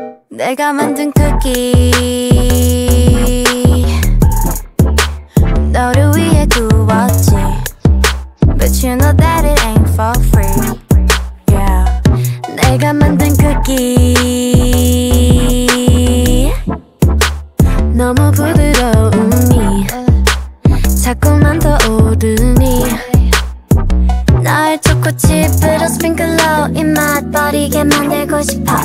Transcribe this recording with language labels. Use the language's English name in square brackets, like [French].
[Korean] 내가 만든 쿠키 너를 위해 구웠지. [English] But you know that it ain't for free. Yeah. [Korean] 내가 만든 쿠키 너무 부드러우니 자꾸만 떠오르니 날 초코칩으로 스프링클로 이 맛버리게 만들고 싶어.